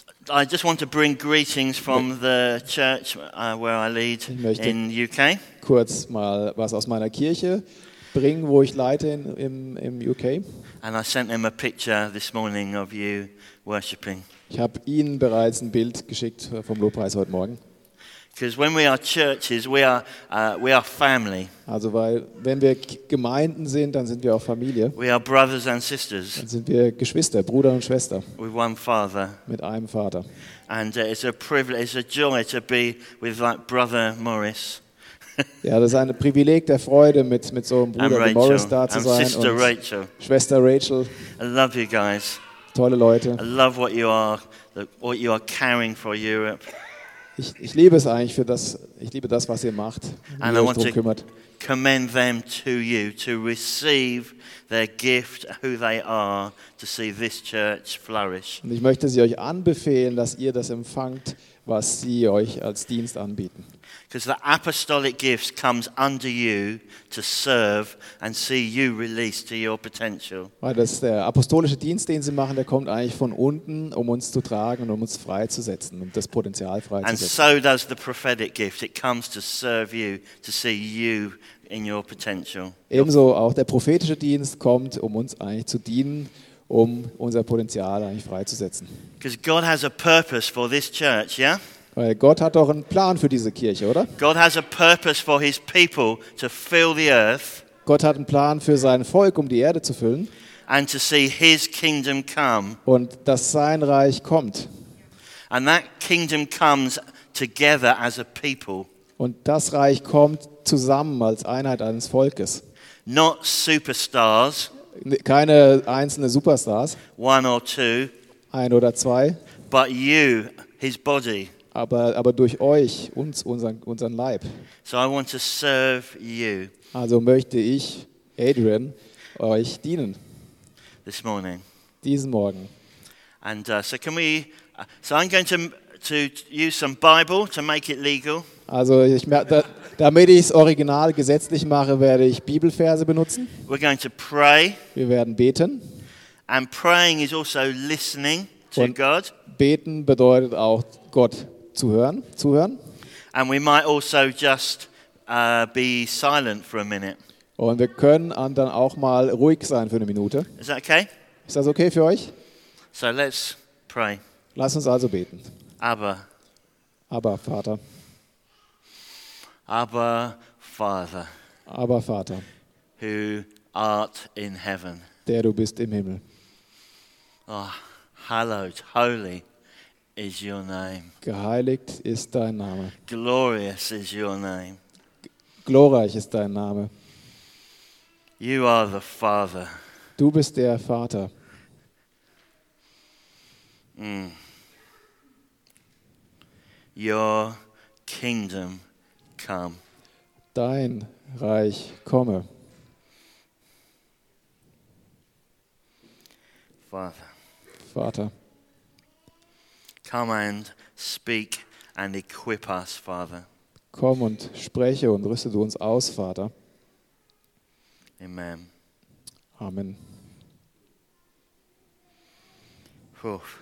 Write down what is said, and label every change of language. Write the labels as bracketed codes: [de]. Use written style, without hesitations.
[en] I just want to bring greetings from the church where I lead in UK. [de] Kurz mal was aus meiner Kirche bringen, wo ich leite im UK. [en] And I sent them a picture this morning of you worshiping. [de] Ich habe ihnen bereits ein Bild geschickt vom Lobpreis heute Morgen. [en] Because when we are churches, we are family. [de] Also weil wenn wir Gemeinden sind, dann sind wir auch Familie. [en] We are brothers and sisters. [de] Dann sind wir Geschwister, Bruder und Schwester. [en] With one father. [de] Mit einem Vater. [en] And it's a privilege, it's a joy to be with like brother Morris. [de] Ja, das ist ein Privileg der Freude, mit so einem Bruder wie Morris da zu sein. [en] And sister Rachel. [de] Schwester Rachel. [en] I love you guys. [de] Tolle Leute. [en] I love what you are carrying for Europe. [de] Ich liebe es eigentlich für das. Ich liebe das, was ihr macht, wie ihr euch darum kümmert. [en] Commend them to you to receive their gift, who they are, to see this church flourish. [de] Und ich möchte sie euch anbefehlen, dass ihr das empfangt, was sie euch als Dienst anbieten. [en] Because the apostolic gift comes under you to serve and see you released to your potential. [de] Weil das der apostolische Dienst, den sie machen, der kommt eigentlich von unten, um uns zu tragen und um uns freizusetzen und das Potenzial freizusetzen. [en] And so does the prophetic gift. It comes to serve you, to see you in your potential. [de] Ebenso auch der prophetische Dienst kommt, um uns eigentlich zu dienen, um unser Potenzial eigentlich freizusetzen. [en] Because God has a purpose for this church, yeah? [de] Weil Gott hat doch einen Plan für diese Kirche, oder? [en] God has a purpose for his people to fill the earth. [de] Gott hat einen Plan für sein Volk, um die Erde zu füllen. [en] And to see his kingdom come. [de] Und dass sein Reich kommt. [en] And that kingdom comes together as a people. [de] Und das Reich kommt zusammen als Einheit eines Volkes. [en] Not superstars. [de] Keine einzelnen Superstars. [en] One or two. [de] Ein oder zwei. [en] But you, his body. [de] Aber durch euch, uns, unseren Leib. [en] So I want to serve you. [de] Also möchte ich, Adrian, euch dienen. [en] This morning. [de] Diesen Morgen. [en] And so I'm going to use some Bible to make it legal. [de] Also damit ich es original gesetzlich mache, werde ich Bibelverse benutzen. [en] We're going to pray. [de] Wir werden beten. [en] And praying is also listening to God. [de] Beten bedeutet auch Gott zuhören. [en] And we might also just be silent for a minute. [de] Und wir können dann auch mal ruhig sein für eine Minute. [en] Is that okay? [de] Ist das okay für euch? [en] So let's pray. [de] Lass uns also beten. Aber Vater. Aber Vater. [en] Who art in heaven. [de] Der du bist im Himmel. [en] Oh, hallowed, holy. Is your name. [de] Geheiligt ist dein Name. [en] Glorious is your name. [de] Glorreich ist dein Name. [en] You are the Father. [de] Du bist der Vater. [en] Your kingdom come. [de] Dein Reich komme. Vater. [en] Come and speak and equip us, Father. [de] Komm und spreche und rüste du uns aus, Vater. [en] Amen. [de] Amen. Puh.